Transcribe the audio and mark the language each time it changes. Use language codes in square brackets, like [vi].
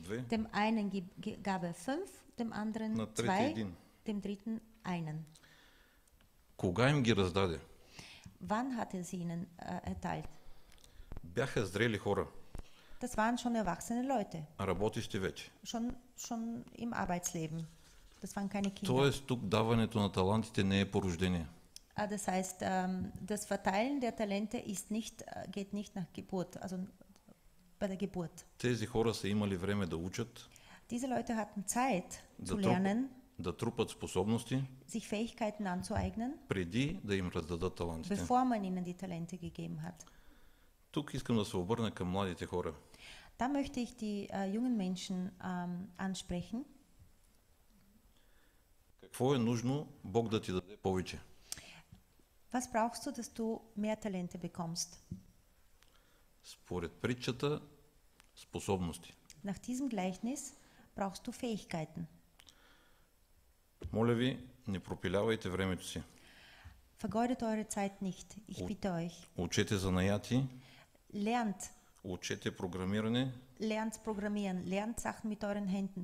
[de] Dem einen gab er 5, dem anderen 2, dem dritten einen. [bg] Кога им ги раздаде? [de] Wann hat er sie ihnen erteilt? [bg] Бяха зрели хора. [de] Das waren schon erwachsene Leute. [bg] Работещи вече. [de] Schon im Arbeitsleben. Das waren keine Kinder. [bg] Тоест, тук даването на талантите не е по рождение. [de] Das heißt, das Verteilen der Talente ist nicht, geht nicht nach Geburt, also bei der Geburt. [bg] Тези хора са имали време да учат. [de] Diese Leute hatten Zeit zu lernen. [bg] Да трупат способности. [de] Sich Fähigkeiten anzueignen. [bg] Преди да им раздадат талантите. [de] Bevor man ihnen die Talente gegeben hat. [bg] Тук искам да се обърна към младите хора. [de] Da möchte ich die jungen Menschen ansprechen. [bg] Какво е нужно Бог да ти даде повече? [de] Was brauchst du, dass du mehr Talente bekommst? [bg] Според притчата, способности. [de] Nach diesem Gleichnis brauchst du Fähigkeiten. [bg] Моля ви, не пропилявайте времето си. [de] Vergeudet eure Zeit nicht. Ich bitte euch. [bg] Учете занаяти. [de] Lernt. [bg] Учете програмиране. [de] Lernt programmieren. Lernt Sachen mit euren Händen.